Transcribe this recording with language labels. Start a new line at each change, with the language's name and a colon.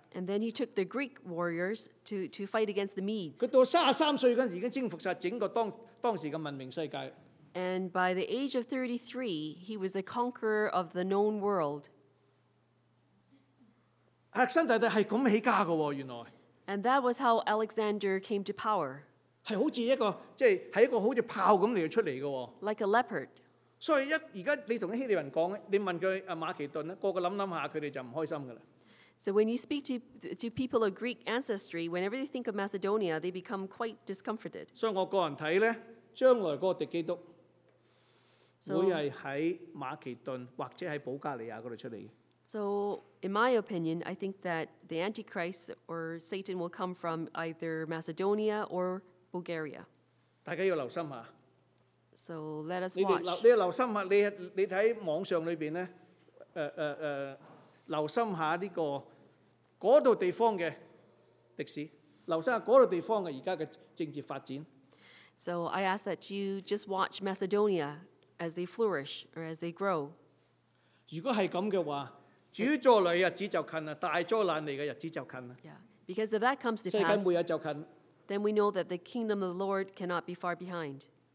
English: And then he took the Greek warriors to fight against the Medes.
Cantonese: 佢到33歲嗰陣時已經征服曬整個當時嘅文明世界。
English: And by the age of 33, he was a conqueror of the known world.
Cantonese: 亞歷山大帝係咁起家嘅喎，原來。
English: And that was how Alexander came to power.
Cantonese: 係好似一個即係係一個好似豹咁嚟出嚟嘅喎。
English: Like a leopard.
Cantonese: 所以一而家你同啲希臘人講，你問佢阿馬其頓咧，個個諗下佢哋就唔開心嘅啦。
English: So when you speak to people of Greek ancestry, whenever they think of Macedonia, they become quite discomforted.
Cantonese: 所以我個人睇咧，將來嗰個敵基督會係喺馬其頓或者喺保加利亞嗰度出嚟。
English: So in my opinion, I think that the Antichrist or Satan will come from either Macedonia or Bulgaria.
Cantonese: 大家要留心下。
English: So let us watch.
Cantonese: 你要留心下，你睇網上裏邊咧，留心下呢、這個嗰度地方嘅歷史，留心下嗰度地方嘅而家嘅政治發展。
English: So I ask that you just watch Macedonia as they flourish or as they grow.
Cantonese: 如果係咁嘅話，主再來日子就近啦，大災難嚟嘅日子就近啦。
English: Yeah, because if that comes to pass,
Cantonese: 世界末日就近。
English: Then we know that the kingdom of the Lord cannot be far behind.